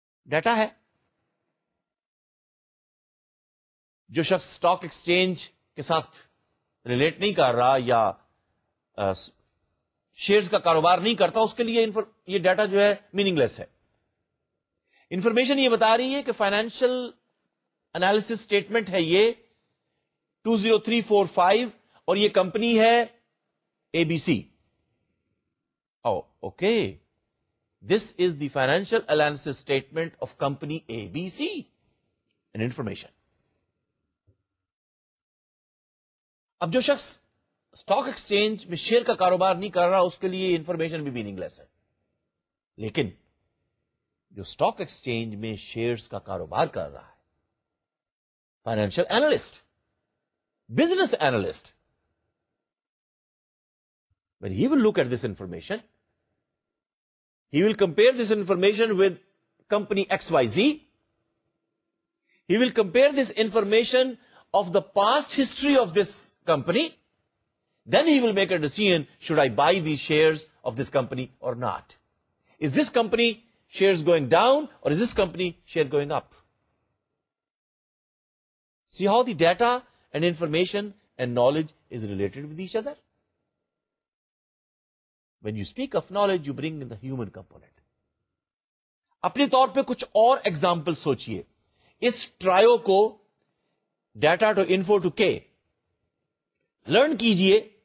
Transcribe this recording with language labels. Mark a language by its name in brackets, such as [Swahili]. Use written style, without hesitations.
[Urdu] Data ہے جو شخص سٹاک ایکسچینج کے ساتھ ریلیٹ نہیں کر رہا یا شیئرز کا کاروبار نہیں کرتا, اس کے لیے یہ ڈیٹا جو ہے میننگ لیس ہے. انفارمیشن یہ بتا رہی ہے کہ فائنینشل انالیسس سٹیٹمنٹ ہے یہ 20345 اور یہ کمپنی ہے اے B C. [English] Okay, this is the financial analysis statement of company A B C and information. [Urdu] اب جو شخص سٹاک ایکسچینج میں شیئر کا کاروبار نہیں کر رہا, اس کے لیے انفارمیشن بھی میننگ لیس ہے. لیکن جو سٹاک ایکسچینج میں شیئرز کا کاروبار کر رہا ہے, financial analyst, business analyst, [English] when he will look at this information, he will compare this information with company XYZ, he will compare this information of the past history of this company, then he will make a decision, should I buy these shares of this company or not? Is this company shares going down or is this company share going up? See how the data and information and knowledge is related with each other? When you speak of knowledge, you bring in the human component. [Urdu] اپنے طور پہ کچھ اور examples سوچئے. اس ٹرائیو کو data to info to کے learn کیجئے.